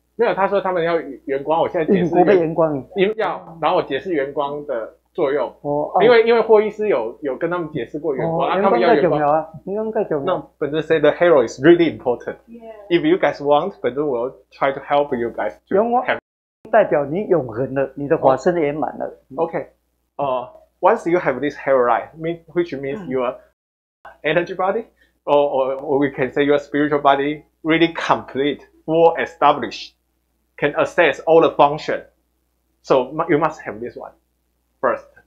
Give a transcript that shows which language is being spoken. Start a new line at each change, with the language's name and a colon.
Chinese: 没有，他说他们要圆光，我现在解释圆光，然后我解释圆光的作用。因为霍医师有跟他们解释过圆光，他们要圆光。那本尊
English: say the halo is really important. Yeah. If you guys want, 本尊 will try to help you guys.
Chinese: 圆光代表你永恒了，你的法身圆满了。 OK.
English: Once you have this halo light, which means your energy body, or we can say your spiritual body really complete, full established. Can assess all the function, so you must have this one first.